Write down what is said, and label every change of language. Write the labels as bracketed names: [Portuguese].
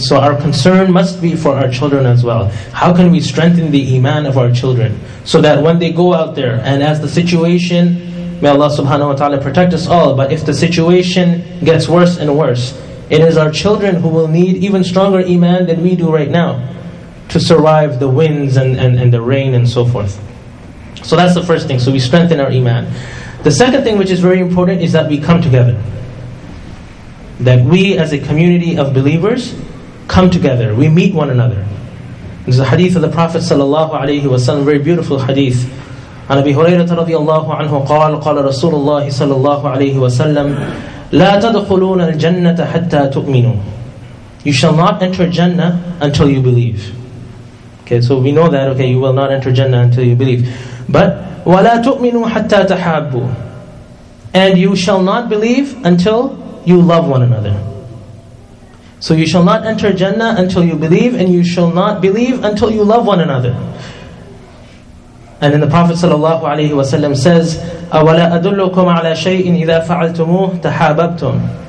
[English] So our concern must be for our children as well. How can we strengthen the iman of our children so that when they go out there, and as the situation, may Allah subhanahu wa ta'ala protect us all, but if the situation gets worse and worse, it is our children who will need even stronger iman than we do right now to survive the winds and the rain and so forth. So that's the first thing. So we strengthen our iman. The second thing which is very important is that we come together. That we as a community of believers come together. We meet one another. This is a hadith of the Prophet sallallahu alaihi wasallam, very beautiful hadith. [Arabic] عن أبي هريرة رضي الله عنه قال قال رسول الله صلى الله عليه وسلم لا تدخلون الجنة حتى تؤمنوا. [English] You shall not enter Jannah until you believe. Okay, so we know that. Okay, you will not enter Jannah until you believe. But [Arabic] ولا تؤمنوا حتى تحابوا. [English] And you shall not believe until you love one another. So you shall not enter Jannah until you believe, and you shall not believe until you love one another. And then the Prophet sallallahu alaihi wasallam says, [Arabic] "Awala adullukum ala shay'in idha fa'altumuhu tahabbtum."